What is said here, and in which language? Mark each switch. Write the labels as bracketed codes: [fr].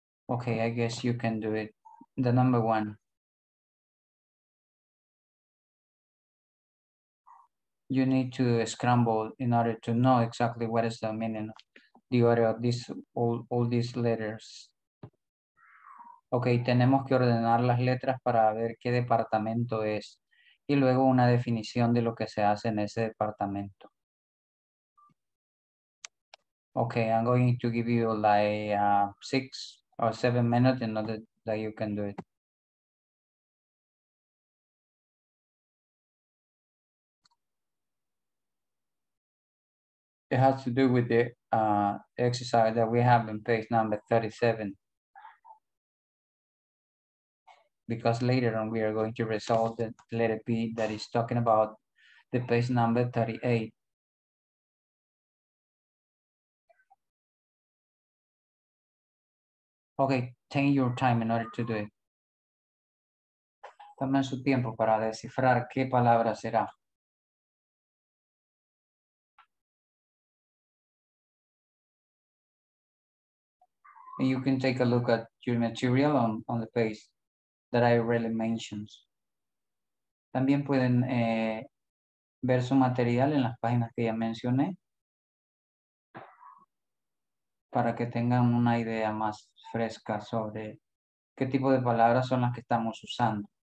[en] Okay, I guess you can do it. The number 1. You need to scramble in order to know exactly what is the meaning, the order of this, all these letters. [es] Okay, tenemos que ordenar las letras para ver qué departamento es y luego una definición de lo que se hace en ese departamento. [en] Okay, I'm going to give you like 6 or 7 minutes in order that you can do it. It has to do with the exercise that we have in page number 37. Because later on, we are going to resolve the letter B that is talking about the page number 38. Okay, take your time in order to do it. [es] Tomen su tiempo para descifrar qué palabra será. [en] And you can take a look at your material on the page that I already mentioned. [es] También pueden ver su material en las páginas que ya mencioné para que tengan una idea más fresca sobre qué tipo de palabras son las que estamos usando.